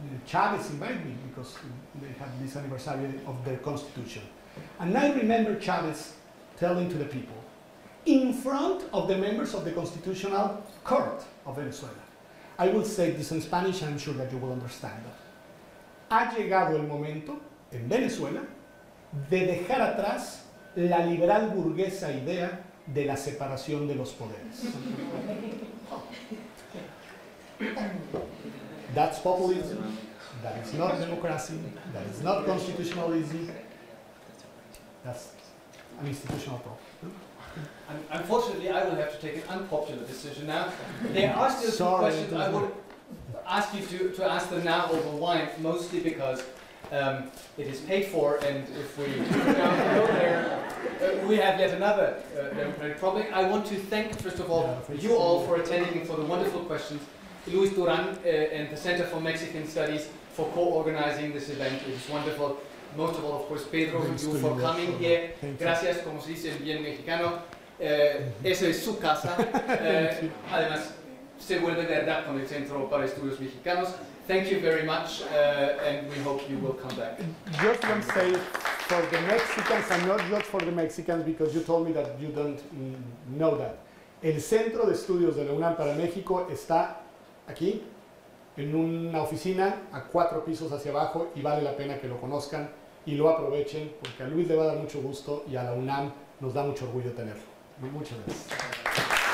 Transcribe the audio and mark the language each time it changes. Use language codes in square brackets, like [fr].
[en] Chavez invited me because they had this anniversary of their constitution. And I remember Chavez telling to the people, in front of the members of the constitutional court of Venezuela, I will say this in Spanish, I'm sure that you will understand that. [es] Ha llegado el momento en Venezuela de dejar atrás la liberal burguesa idea de la separación de los poderes. [en] That's populism, that is not democracy, that is not constitutionalism, that's an institutional problem. Unfortunately, I will have to take an unpopular decision now. There are still some questions I would ask you to ask them now over wine, mostly because it is paid for, and if we go there, we have yet another democratic problem. I want to thank, first of all, you all for attending and for the wonderful questions. Luis Duran and the Center for Mexican Studies for co-organizing this event. It is wonderful. Most of all, of course, Pedro, thanks you for coming much, here. Thank [es] gracias, [en] you. [es] Como se dice en bien mexicano. Eso es su casa. además, se vuelve verdad con el Centro para Estudios Mexicanos. [en] Thank you very much, and we hope you will come back. Just one say for the Mexicans, and not just for the Mexicans, because you told me that you don't know that. [es] El Centro de Estudios de la UNAM para México está aquí, en una oficina, a cuatro pisos hacia abajo, y vale la pena que lo conozcan y lo aprovechen, porque a Luis le va a dar mucho gusto y a la UNAM nos da mucho orgullo tenerlo. Muchas gracias.